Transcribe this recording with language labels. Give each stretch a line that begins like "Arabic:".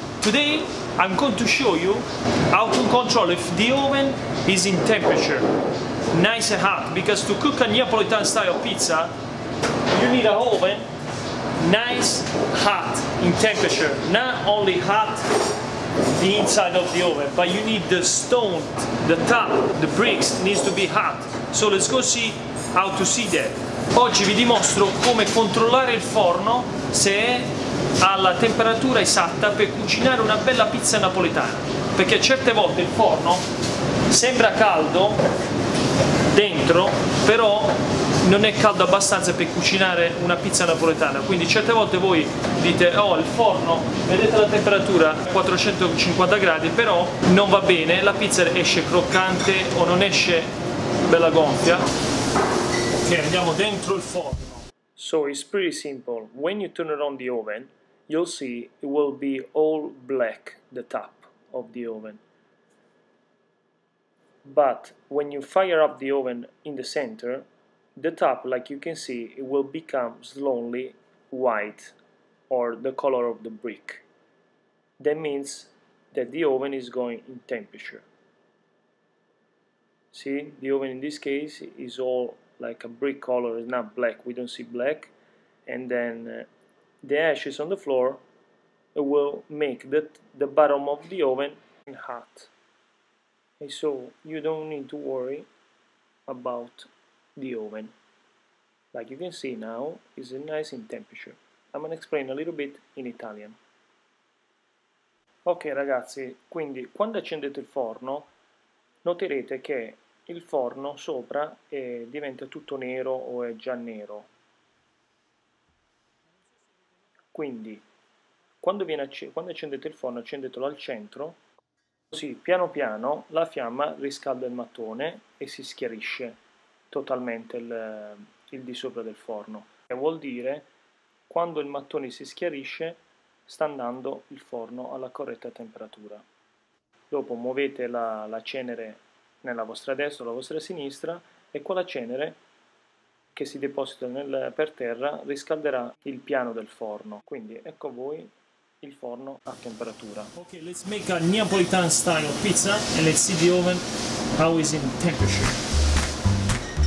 English: Today I'm going to show you how to control if the oven is in temperature nice and hot, because to cook a Neapolitan style pizza you need an oven nice hot in temperature, not only hot the inside of the oven, but you need the stone, the top, the bricks needs to be hot. So let's go see how to see that.
Italian: Oggi vi dimostro come controllare il forno se è alla temperatura esatta per cucinare una bella pizza napoletana, perché certe volte il forno sembra caldo dentro, però non è caldo abbastanza per cucinare una pizza napoletana. Quindi certe volte voi dite: oh, il forno, vedete la temperatura, 450 gradi, però non va bene, la pizza esce croccante o non esce bella gonfia. Ok, andiamo dentro il forno.
English: So it's pretty simple. When you turn it on the oven, you'll see it will be all black, the top of the oven. But when you fire up the oven in the center, the top, like you can see, it will become slowly white, or the color of the brick. That means that the oven is going in temperature. See, the oven in this case is all like a brick color, it's not black, we don't see black. And then the ashes on the floor will make the bottom of the oven hot. And so you don't need to worry about the oven. Like you can see now, it's nice in temperature. I'm gonna explain a little bit in Italian.
Italian: Ok ragazzi, quindi quando accendete il forno noterete che il forno sopra diventa tutto nero o è già nero. Quindi quando accendete il forno, accendetelo al centro, così piano piano la fiamma riscalda il mattone e si schiarisce totalmente il di sopra del forno. E vuol dire quando il mattone si schiarisce sta andando il forno alla corretta temperatura. Dopo muovete la cenere nella vostra destra o la vostra sinistra e quella cenere che si deposita per terra riscalderà il piano del forno. Quindi ecco voi il forno a temperatura.
English: Ok, let's make a Neapolitan style pizza and let's see the oven how is in temperature.